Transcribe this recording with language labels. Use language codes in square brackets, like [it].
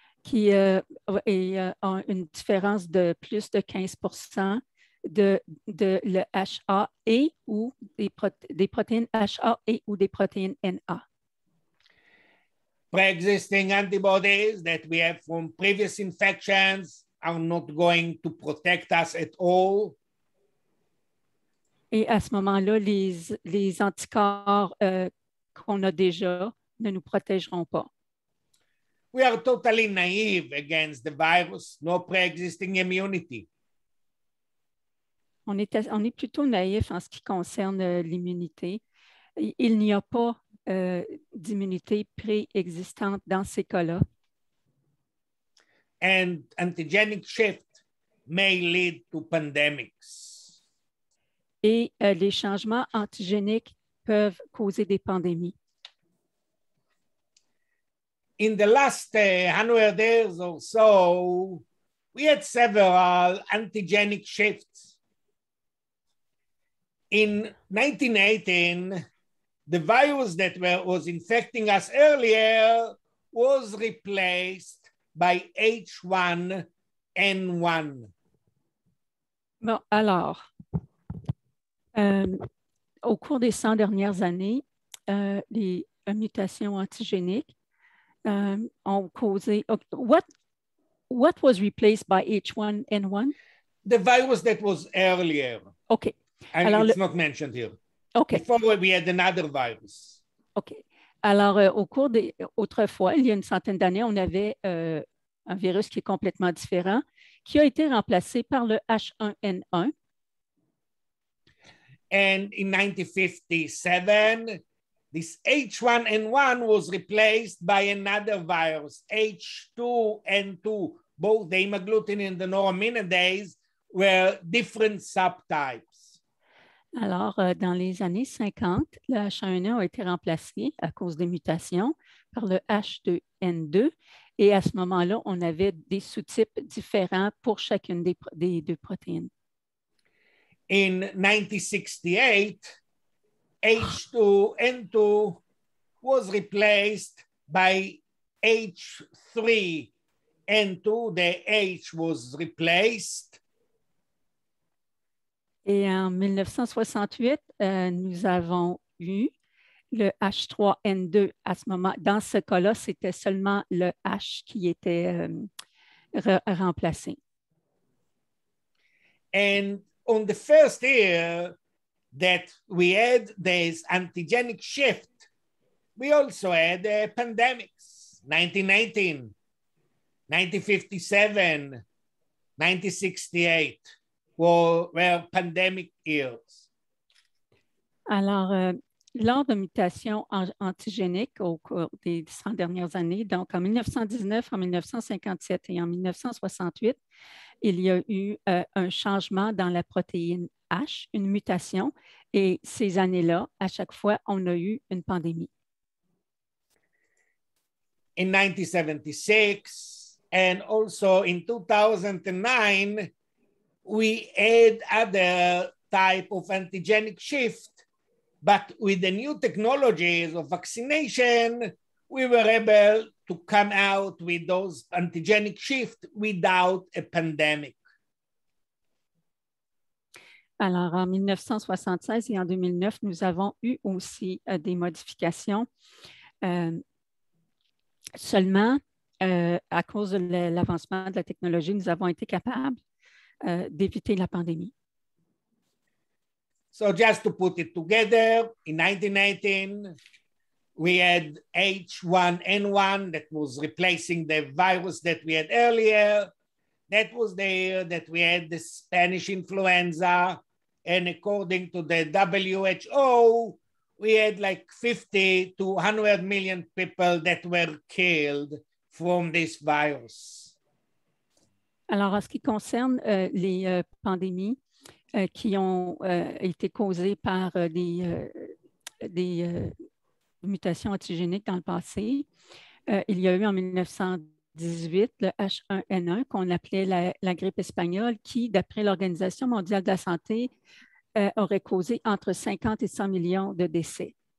[fr] qui est en une différence de plus de 15 % de le HAE ou des protéines HAE ou des protéines NA. [en] Pre-existing antibodies that we have from previous infections are not going to protect us at all. [fr] Et à ce moment-là, les anticorps qu'on a déjà ne nous protégeront pas. [en] We are totally naive against the virus, no pre-existing immunity. [fr] On est plutôt naïf en ce qui concerne l'immunité. Il n'y a pas d'immunité préexistante dans ces cas-là. [en] And antigenic shift may lead to pandemics. [fr] Et les changements antigéniques peuvent causer des pandémies. [en] In the last 100 years or so, we had several antigenic shifts. In 1918, the virus that was infecting us earlier was replaced by H1N1. [fr] Bon, alors, au cours des 100 dernières années, les mutations antigéniques ont causé... [en] What was replaced by H1N1? The virus that was earlier. Okay. And alors, it's not mentioned here. Okay. Before we had another virus. Okay. [fr] Alors, au cours des autrefois, il y a une centaine d'années, on avait un virus qui est complètement différent, qui a été remplacé par le H1N1. [en] And in 1957, this H1N1 was replaced by another virus, H2N2. Both the hemagglutinin and the neuraminidase were different subtypes. [fr] Alors, dans les années 50, le H1N1 a été remplacé à cause des mutations par le H2N2. Et à ce moment-là, on avait des sous-types différents pour chacune des deux protéines. [en] In 1968, H2N2 was replaced by H3N2. The H was replaced. [fr] Et en 1968, nous avons eu le H3N2. À ce moment, dans ce cas-là, c'était seulement le H qui était remplacé. [en] And on the first year that we had this antigenic shift, we also had pandemics. 1918, 1957, 1968. Were pandemic years. [fr] Alors, lors de mutations antigéniques au cours des 100 dernières années, donc en 1919, en 1957 et en 1968, il y a eu un changement dans la protéine H, une mutation, et ces années-là, à chaque fois, on a eu une pandémie. [en] In 1976 and also in 2009, we had other type of antigenic shift, but with the new technologies of vaccination, we were able to come out with those antigenic shift without a pandemic. [fr] Alors, en 1976 et en 2009, nous avons eu aussi des modifications seulement à cause de l'avancement de la technologie, nous avons été capables d'éviter la pandémie. [en] So just to put it together, in 1918, we had H1N1 that was replacing the virus that we had earlier. That was the year that we had the Spanish influenza. And according to the WHO, we had like 50 to 100 million people that were killed from this virus. [fr] Alors, en ce qui concerne les pandémies qui ont été causées par des mutations antigéniques dans le passé, il y a eu en 1918 le H1N1 qu'on appelait la grippe espagnole qui, d'après l'Organisation mondiale de la santé, aurait causé entre 50 et 100 millions de décès.